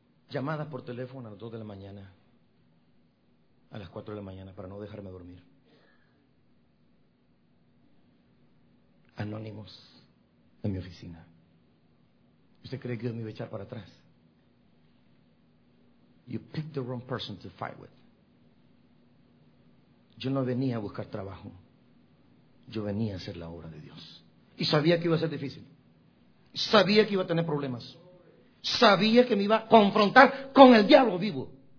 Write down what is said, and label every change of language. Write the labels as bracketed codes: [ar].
[es] Llamadas por teléfono a las 2 de la mañana, a las 4 de la mañana, para no dejarme dormir. Anónimos en mi oficina. ¿Usted cree que yo me iba a echar para atrás? [en] You picked the wrong person to fight with. [es] Yo no venía a buscar trabajo. Yo venía a hacer la obra de Dios. Y sabía que iba a ser difícil. Sabía que iba a tener problemas. Sabía que me iba a confrontar con el diablo vivo.